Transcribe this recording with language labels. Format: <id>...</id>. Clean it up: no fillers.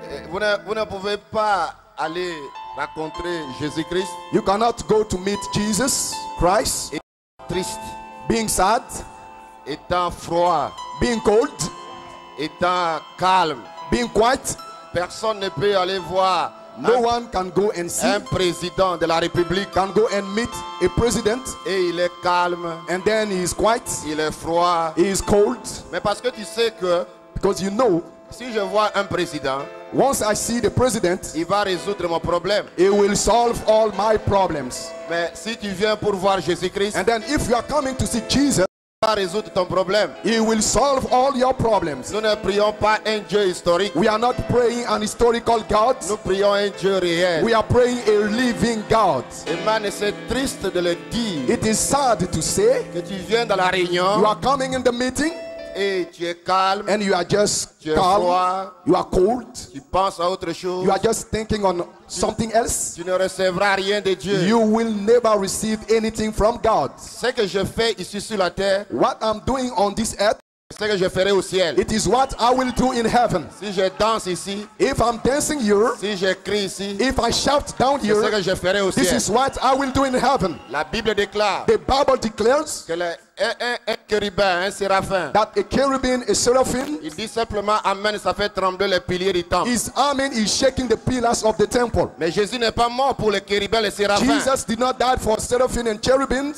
<fr>Vous ne pouvez pas aller rencontrer Jésus-Christ.</fr> <en>You cannot go to meet Jesus Christ.</en> <fr>Étant triste.</fr> <en>Being sad.</en> <fr>Étant froid.</fr> <en>Being cold.</en> <fr>Étant calme.</fr> <en>Being quiet.</en> <fr>Personne ne peut aller voir.</fr> <en>No one can go and see.</en> <fr>Un président de la République</fr> <en>can go and meet a president.</en> <fr>Et il est calme.</fr> <en>And then he is quiet.</en> <fr>Il est froid.</fr> <en>He is cold.</en> <fr>Mais parce que tu sais que,</fr> <en>because you know,</en> <fr>si je vois un président,</fr> <en>once I see the president,</en> <fr>il va résoudre mon problème.</fr> <en>He will solve all my problems.</en> <fr>Mais si tu viens pour voir Jésus-Christ,</fr> <en>and then if you are coming to see Jesus,</en> <fr>il va résoudre ton problème.</fr> <en>He will solve all your problems.</en> <fr>Nous ne prions pas un Dieu historique.</fr> <en>We are not praying an historical God.</en> <fr>Nous prions un Dieu réel.</fr> <en>We are praying a living God.</en> <fr>Et man, c'est triste de le dire.</fr> <en>It is sad to say</en> <fr>que tu viens dans la réunion.</fr> <en>You are coming in the meeting.</en> <fr>Et tu es calme.</fr> <en>And you are just</en> <fr>tu</fr> <en>calm.</en> <fr>Froid.</fr> <en>You are cold.</en> <fr>Tu penses à autre chose.</fr> <en>You are just thinking on something else.</en> <fr>Tu ne recevras rien de Dieu.</fr> <en>You will never receive anything from God.</en> <fr>Ce que je fais ici sur la terre,</fr> <en>what I'm doing on this earth,</en> <fr>ce que je ferai au ciel.</fr> <en>It is what I will do in heaven.</en> <fr>Si je danse ici,</fr> <en>if I'm dancing here,</en> <fr>si je crie ici,</fr> <en>if I shout down here,</en> <fr>ce que je ferai au</fr> <en>this</en> <fr>ciel.</fr> <en>Is what I will do in heaven.</en> <fr>La Bible déclare,</fr> <en>the Bible declares</en> <fr>que le, un chérubin, un séraphin,</fr> <en>that a cherubim, a seraphim,</en> <fr>il dit simplement amen, ça fait trembler les piliers du temple.</fr> <en>His amen is shaking the pillars of the temple.</en> <fr>Mais Jésus n'est pas mort pour les chérubins, les séraphins.</fr> <en>Jesus did not die for seraphim and cherubims.</en>